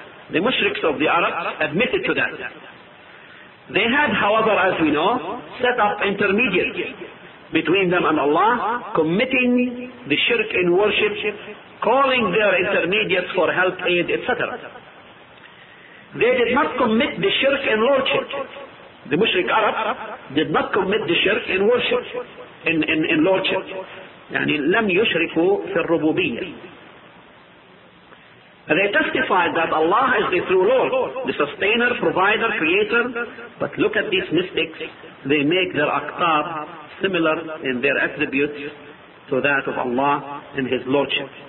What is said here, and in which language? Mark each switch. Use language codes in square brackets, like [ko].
[en] The mushriks of the Arabs admitted to that. They had, however, as we know, set up intermediaries between them and Allah, committing the shirk in worship, calling their intermediates for help, aid, etc. They did not commit the shirk in lordship. The mushrik Arab did not commit the shirk in worship, in lordship. [ar] يعني لم يشركوا في الربوبية. [en] They testified that Allah is the true Lord, the sustainer, provider, creator. But look at these mystics. They make their aqtab similar in their attributes to that of Allah in His lordship.